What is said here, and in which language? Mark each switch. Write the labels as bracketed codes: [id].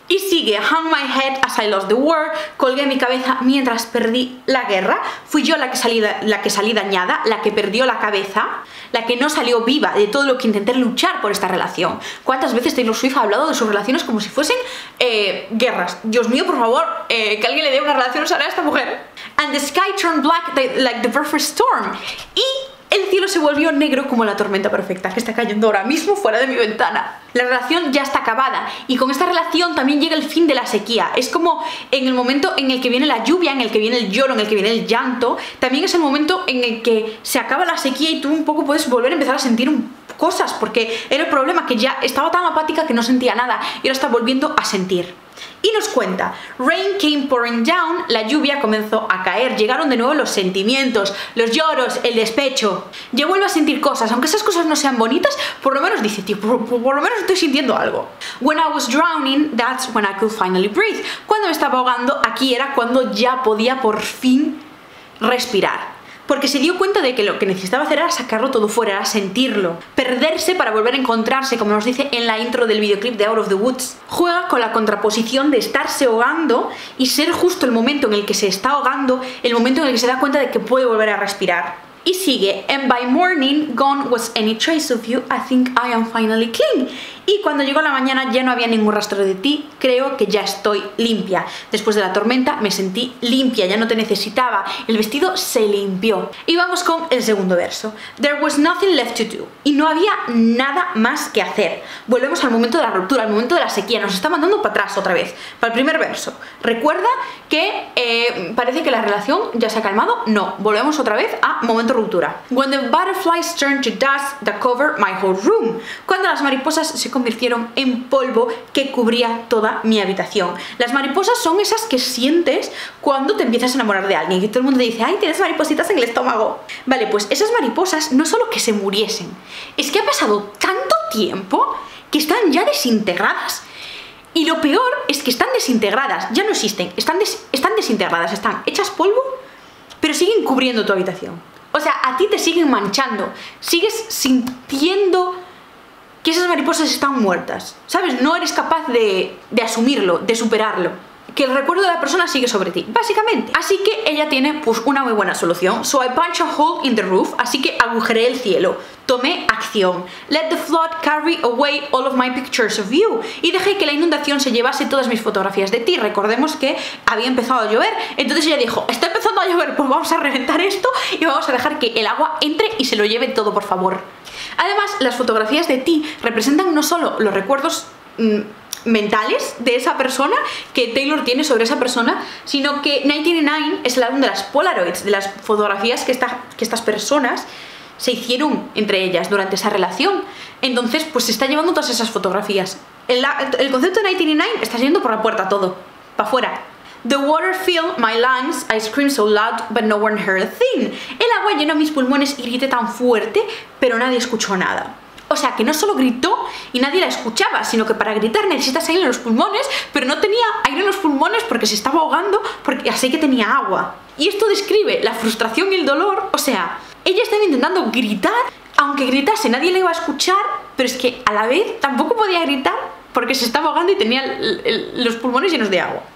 [es] Y sigue, [en] hung my head as I lost the war, [es] colgué mi cabeza mientras perdí la guerra, fui yo la que salí dañada, la que perdió la cabeza, la que no salió viva de todo lo que intenté luchar por esta relación. ¿Cuántas veces Taylor Swift ha hablado de sus relaciones como si fuesen guerras? Dios mío, por favor, que alguien le dé una relación sana a esta mujer. [en] And the sky turned black like the perfect storm. [es] Y el cielo se volvió negro como la tormenta perfecta que está cayendo ahora mismo fuera de mi ventana. La relación ya está acabada y con esta relación también llega el fin de la sequía. Es como en el momento en el que viene la lluvia, en el que viene el lloro, en el que viene el llanto, también es el momento en el que se acaba la sequía y tú un poco puedes volver a empezar a sentir cosas, porque era el problema que ya estaba tan apática que no sentía nada y ahora está volviendo a sentir. Y nos cuenta, [en] rain came pouring down, [es] la lluvia comenzó a caer, llegaron de nuevo los sentimientos, los lloros, el despecho. Yo vuelvo a sentir cosas, aunque esas cosas no sean bonitas, por lo menos dice, tío, por lo menos estoy sintiendo algo. [en] When I was drowning, that's when I could finally breathe. [es] Cuando me estaba ahogando, aquí era cuando ya podía por fin respirar. Porque se dio cuenta de que lo que necesitaba hacer era sacarlo todo fuera, era sentirlo. Perderse para volver a encontrarse, como nos dice en la intro del videoclip de Out of the Woods. Juega con la contraposición de estarse ahogando y ser justo el momento en el que se está ahogando, el momento en el que se da cuenta de que puede volver a respirar. Y sigue, [en] and by morning, gone was any trace of you, I think I am finally clean. [es] Y cuando llegó la mañana ya no había ningún rastro de ti, creo que ya estoy limpia. Después de la tormenta me sentí limpia, ya no te necesitaba, el vestido se limpió. Y vamos con el segundo verso. [en] There was nothing left to do. [es] Y no había nada más que hacer. Volvemos al momento de la ruptura, al momento de la sequía, nos está mandando para atrás otra vez. Para el primer verso. Recuerda que parece que la relación ya se ha calmado. No, volvemos otra vez a momento ruptura. [en] When the butterflies turned to dust that covered my whole room. [es] Cuando las mariposas se convirtieron en polvo que cubría toda mi habitación. Las mariposas son esas que sientes cuando te empiezas a enamorar de alguien, que todo el mundo te dice, ¡ay, tienes maripositas en el estómago! Vale, pues esas mariposas no solo que se muriesen, es que ha pasado tanto tiempo que están ya desintegradas. Y lo peor es que están desintegradas, ya no existen, están desintegradas, están hechas polvo, pero siguen cubriendo tu habitación. O sea, a ti te siguen manchando, sigues sintiendo que esas mariposas están muertas, ¿sabes? No eres capaz de asumirlo, de superarlo. Que el recuerdo de la persona sigue sobre ti, básicamente. Así que ella tiene, pues, una muy buena solución. [en] So I punch a hole in the roof, [es] así que agujeré el cielo. Tomé acción. [en] Let the flood carry away all of my pictures of you. [es] Y dejé que la inundación se llevase todas mis fotografías de ti. Recordemos que había empezado a llover, entonces ella dijo, está empezando a llover, pues vamos a reventar esto y vamos a dejar que el agua entre y se lo lleve todo, por favor. Además, las fotografías de ti representan no solo los recuerdos mentales de esa persona que Taylor tiene sobre esa persona, sino que 1999 es el álbum de las Polaroids, de las fotografías que estas personas se hicieron entre ellas durante esa relación. Entonces, pues se está llevando todas esas fotografías. El concepto de 1999 está yendo por la puerta todo, para afuera. [en] The water filled my lungs, I screamed so loud, but no one heard a thing. [es] El agua llenó mis pulmones y grité tan fuerte, pero nadie escuchó nada. O sea, que no solo gritó y nadie la escuchaba, sino que para gritar necesitas aire en los pulmones, pero no tenía aire en los pulmones porque se estaba ahogando, porque así que tenía agua. Y esto describe la frustración y el dolor. O sea, ella estaba intentando gritar, aunque gritase nadie la iba a escuchar, pero es que a la vez tampoco podía gritar porque se estaba ahogando y tenía los pulmones llenos de agua.